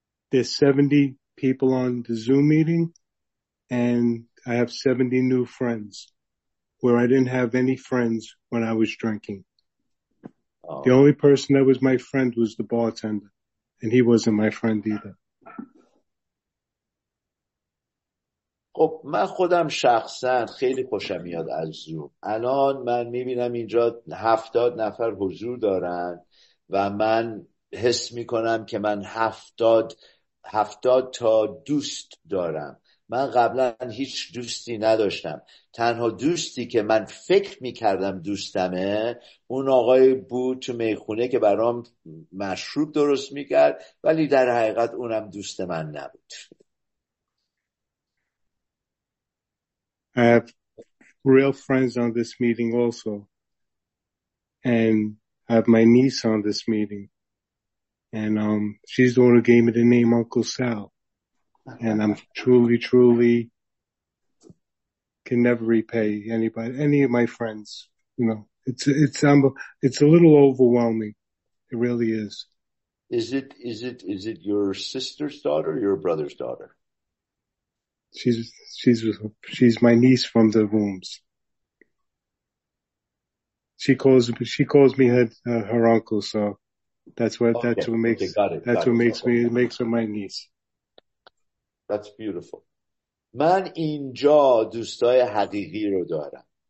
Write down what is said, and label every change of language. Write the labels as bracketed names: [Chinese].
[English] There's 70 people on the Zoom meeting and I have 70 new friends where I didn't have any friends when I was drinking. The only person that was my friend was the bartender and he wasn't my friend either. [Persian] خب من خودم شخصا خیلی خوشم میاد از زوم. الان من میبینم اینجا 70 نفر حضور دارن و من حس میکنم که من 70 تا دوست دارم. من قبلا هیچ دوستی نداشتم. تنها دوستی که من فکر میکردم دوستمه اون آقای بود تو میخونه که برام مشروب درست میکرد، ولی در حقیقت اونم دوست من نبود. [English] I have real friends on this meeting also. And I have my niece on this meeting. And she's the one who gave me the name Uncle Sal. And I'm truly, truly can never repay anybody, any of my friends. You know, it's a little overwhelming. It really is. Is it your sister's daughter or your brother's daughter? She's my niece from the rooms. She calls me her uncle, so that's what makes her my niece. That's beautiful. [Persian] من اینجا دوستای حقیقی رو دارم.